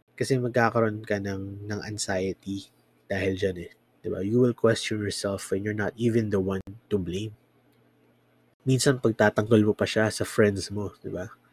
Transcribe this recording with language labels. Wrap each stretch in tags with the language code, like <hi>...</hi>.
<tl>Kasi magkakaroon ka ng anxiety dahil dyan eh. Diba?</tl> <en>You will question yourself when you're not even the one to blame.</en> <tl>Minsan pagtatanggol mo pa siya sa friends mo, diba?</tl>